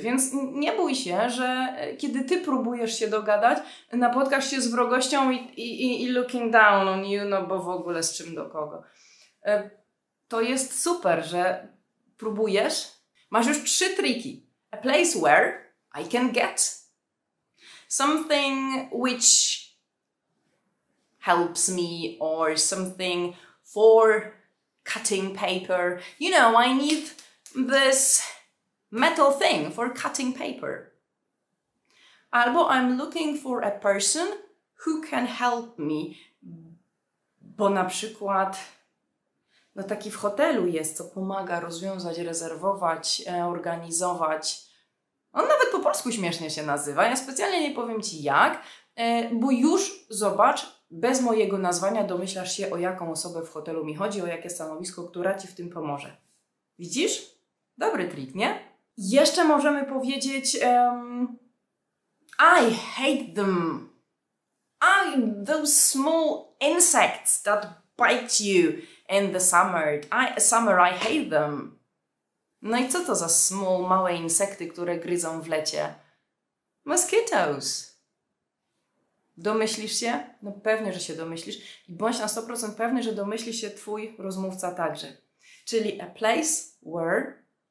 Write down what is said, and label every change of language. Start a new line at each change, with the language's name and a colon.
Polish: Więc nie bój się, że kiedy ty próbujesz się dogadać, napotkasz się z wrogością i
English: looking down on you,
Polish: no bo w ogóle z czym do kogo. To jest super, że próbujesz. Masz już trzy triki.
English: A place where I can get. Something which helps me, or something for cutting paper. You know, I need this metal thing for cutting paper. Albo I'm looking for a person who can help me.
Polish: Bo na przykład, no taki w hotelu jest, co pomaga rozwiązać, rezerwować, organizować. On nawet po polsku śmiesznie się nazywa. Ja specjalnie nie powiem ci jak, bo już zobacz, bez mojego nazwania domyślasz się, o jaką osobę w hotelu mi chodzi, o jakie stanowisko, która ci w tym pomoże. Widzisz? Dobry trik, nie? Jeszcze możemy powiedzieć
English: I hate them. I those small insects that bite you in the summer. I hate them.
Polish: No i co to za small, małe insekty, które gryzą w lecie? Mosquitoes. Domyślisz się? No pewnie, że się domyślisz. I bądź na 100% pewny, że domyśli się twój rozmówca także. Czyli
English: a place where